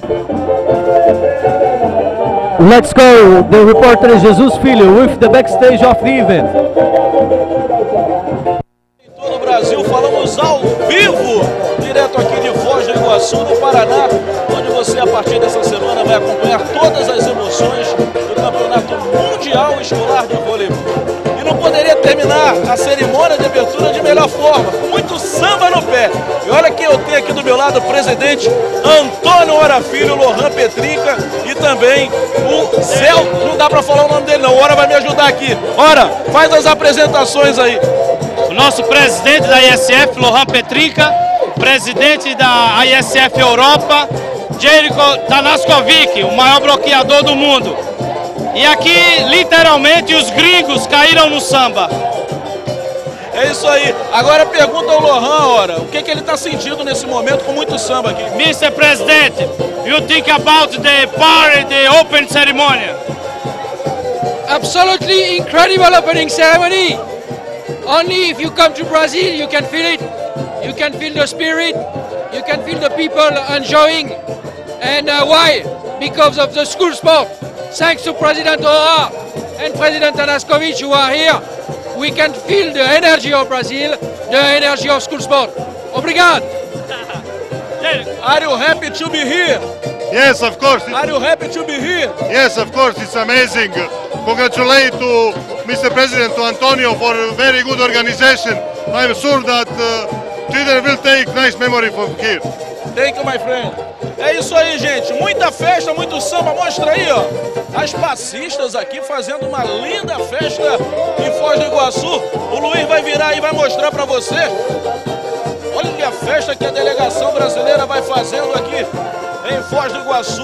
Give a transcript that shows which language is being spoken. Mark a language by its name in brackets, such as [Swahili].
[English] Let's go, the reporter Jesus Filho with the backstage of the event. [Portuguese] Em todo o Brasil, falamos ao vivo, direto aqui de Foz do Iguaçu, no Paraná, onde você, a partir dessa semana, vai acompanhar todas as emoções do Campeonato Mundial Escolar de Voleibol. E não poderia terminar a cerimônia de abertura de melhor forma, com muito samba no pé. E olha quem eu tenho aqui do meu lado, o presidente Antônio Ora Filho, Lohan Petrica, e também o Céu, não dá para falar o nome dele não, Ora vai me ajudar aqui. Ora, faz as apresentações aí. O nosso presidente da ISF, Lohan Petrica, presidente da ISF Europa, Jericho Tanaskovic, o maior bloqueador do mundo. E aqui, literalmente, os gringos caíram no samba. É isso aí. Agora pergunta ao Lohan, ora, o que, que ele está sentindo nesse momento com muito samba aqui? [English] Mr. President, you think about the party, the open ceremony? Absolutely incredible opening ceremony. Only if you come to Brazil, you can feel it. You can feel the spirit. You can feel the people enjoying. And why? Because of the school sport. Thanks to President Ora and President Tanaskovic who are here. We can feel the energy of Brazil, the energy of school sport. [Portuguese] Obrigado! [English] Are you happy to be here? Yes, of course. Are you happy to be here? Yes, of course, it's amazing. Congratulate to Mr. President Antonio for a very good organization. I'm sure that children will take nice memory from here. Thank you, my friend. [Portuguese] É isso aí, gente. Muita festa, muito samba. Mostra aí, ó. As passistas aqui fazendo uma linda festa em Foz do Iguaçu. O Luiz vai virar aí e vai mostrar pra você. Olha a festa que a delegação brasileira vai fazendo aqui em Foz do Iguaçu.